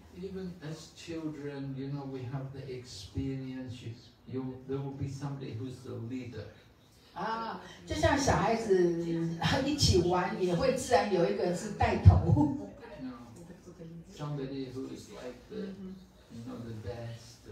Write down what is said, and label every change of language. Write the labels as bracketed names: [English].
[English] Even as children, you know, we have the experience. There will be somebody who's the leader. [Chinese] 就像小孩子一起玩，也会自然有一个人是带头。 [English] Somebody who is like the, you know, the best.